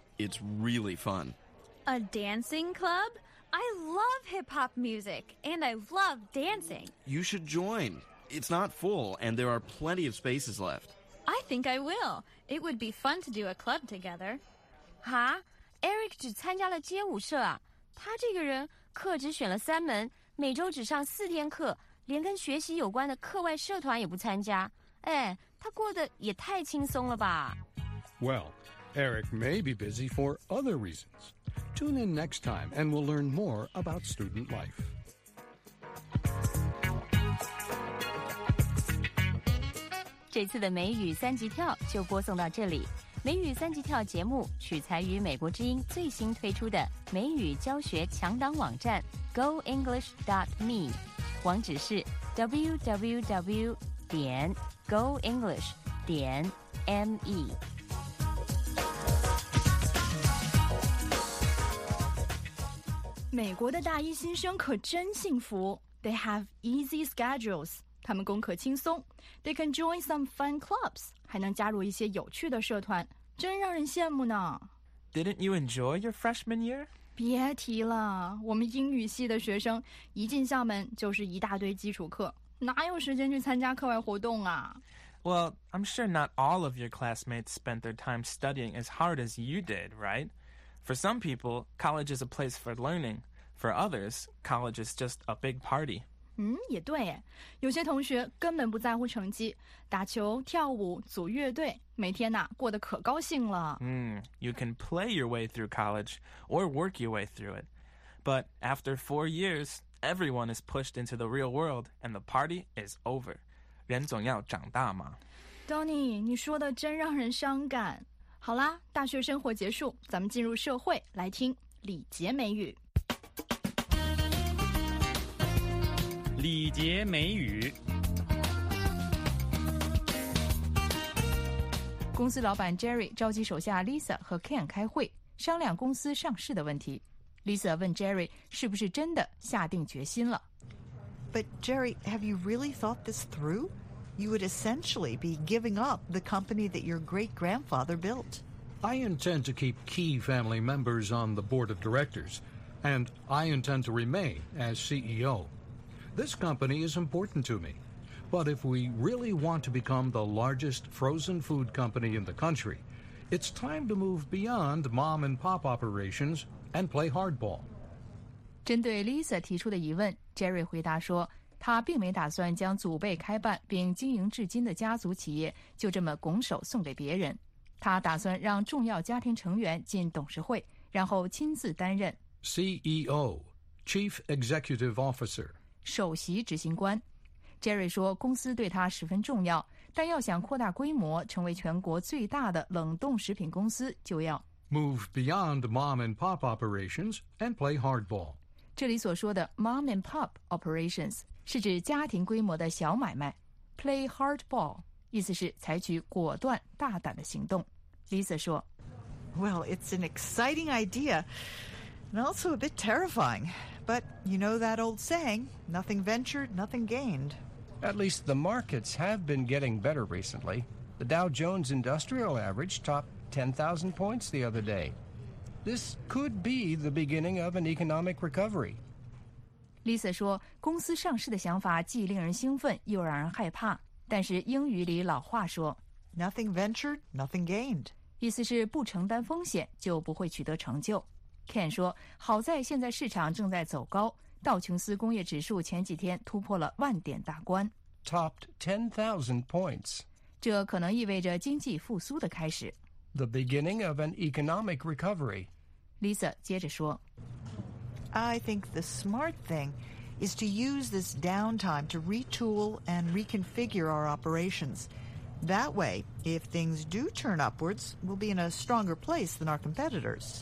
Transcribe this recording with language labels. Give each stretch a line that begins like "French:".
English: It's really fun. A dancing club? I love hip-hop music, and I love dancing. You should join. It's not full, and there are plenty of spaces left. I think I will. It would be fun to do a club together.
Chinese: 哈?Eric 只参加了街舞社啊。他这个人课只选了三门，每周只上四天课，连跟学习有关的课外社团也不参加。哎，他过得也太轻松了吧。
English: Well, Eric may be busy for other reasons. Tune in next time, and we'll learn more about student life. This time's
Chinese: 美语三级跳就播送到这里。美语三级跳节目取材于美国之音最新推出的美语教学强档网站 goenglish.me， 网址是 www.goenglish.me。美国的大一新生可真幸福。
English: They have easy schedules.
Chinese: 他们功课轻松。
English: They can join some fun clubs.
Chinese: 还能加入一些有趣的社团。真让人羡慕呢。
English: Didn't you enjoy your freshman year?
Chinese: 别提了。我们英语系的学生一进校门就是一大堆基础课。哪有时间去参加课外活动啊。
English: Well, I'm sure not all of your classmates spent their time studying as hard as you did, right? For some people, college is a place for learning. For others, college is just a big party.
Chinese: 也对耶。有些同学根本不在乎成绩，打球、跳舞、组乐队，每天呐，过得可高兴了。
English: You can play your way through college or work your way through it. But after 4 years, everyone is pushed into the real world and the party is over.
Chinese: 人总要长大嘛。 Donny, 你说的真让人伤感。好啦，大学生活结束，咱们进入社会，来听李杰美语。李杰美语。公司老板 Jerry 召集手下 Lisa 和 Ken 开会，商量公司上市的问题。 Lisa 问 Jerry 是不是真的下定决心了。
English: But Jerry, have you really thought this through? You would essentially be giving up the company that your great-grandfather built. I intend to keep key family members on the board of directors, and I intend to remain as CEO. This company is important to me, but if we really want to become the largest frozen food company in the country, it's time to move beyond mom and pop operations and play hardball.
Chinese: 针对 Lisa 提出的疑问 ，Jerry 回答说，他并没打算将祖辈开办并经营至今的家族企业就这么拱手送给别人。他打算让重要家庭成员进董事会，然后亲自担任
English: CEO, Chief Executive Officer,
Chinese: 首席执行官。 Jerry 说公司对他十分重要，但要想扩大规模，成为全国最大的冷冻食品公司，就要
English: Move beyond mom and pop operations and play hardball.
Chinese: 这里所说的
English: mom and pop operations
Chinese: 是指家庭规模的小买卖 ,
English: play hardball.
Chinese: 意思是采取果断大胆的行动。 Lisa 说
English: Well, it's an exciting idea and also a bit terrifying. But you know that old saying, nothing ventured, nothing gained. At least the markets have been getting better recently. The Dow Jones Industrial Average topped 10,000 points the other day. This could be the beginning of an economic recovery.
Chinese: Lisa 说，公司上市的想法既令人兴奋又让人害怕。但是英语里老话说
English: Nothing ventured, nothing gained.
Chinese: 意思是不承担风险就不会取得成就。Ken 说，好在现在市场正在走高，道琼斯工业指数前几天突破了万点大关。
English: Topped 10,000 points.
Chinese: 这可能意味着经济复苏的开始。
English: The beginning of an economic recovery.
Chinese: Lisa 接着说。
English: I think the smart thing is to use this downtime to retool and reconfigure our operations. That way, if things do turn upwards, we'll be in a stronger place than our competitors.